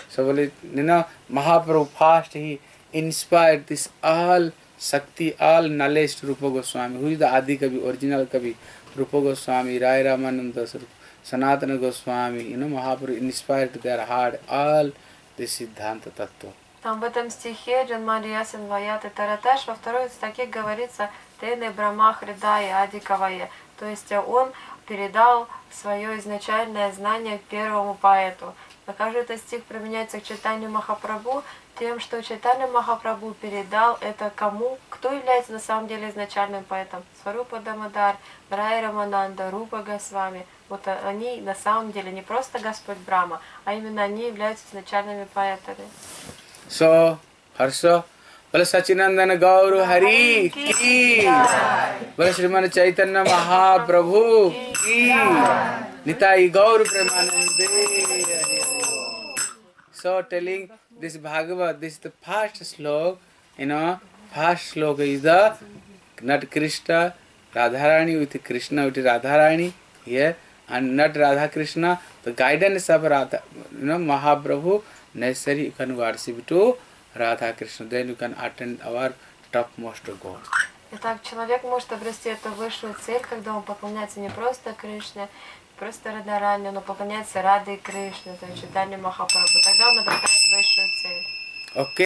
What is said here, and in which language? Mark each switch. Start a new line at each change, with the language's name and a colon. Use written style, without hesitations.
English: So, you know, Mahaprabhu passed, he inspired this all Shakti, all knowledge to Rupa Goswami, who is the Adi Kavi, original Kavi, Rupa Goswami, Rai Ramananda, Sanatana Goswami, you know, Mahaprabhu inspired their heart, all the Siddhanta Tattva.
Russian: Там в этом стихе Джанмариясин Ваяты Тараташ, во второй стихе говорится Тене Брамахридая Ади Кавае. То есть он передал свое изначальное знание первому поэту. Покажи этот стих применяется к читанию Махапрабху, тем, что Чайтанья Махапрабху передал это кому? Кто является на самом деле изначальным поэтом? Сварупа Дамодар, Рай Рамананда, Рупа Госвами. Вот они на самом деле не просто Господь Брама, а именно они являются изначальными поэтами. So, хорошо. Вала Сачинандана Гауру Хари Ки. Вала Шримана Чайтанья Махапрабху Ки. Нитай Гауру Премананде.
English: So, telling this Bhagavad, this is the first slok, you know, first slok is the not Krishna, Radharani with Krishna, with Radharani, yeah, and not Radha Krishna, the guidance of Radha, you know, Mahaprabhu, necessary you can worship to Radha Krishna, then you can attend our topmost goal.
Russian: Итак, человек может обрести эту высшую цель, когда он поклоняется не просто Кришне, просто Радарани, но поклоняется Радхе Кришне, то есть Чайтанья Махапрабху. Тогда он обретает высшую цель.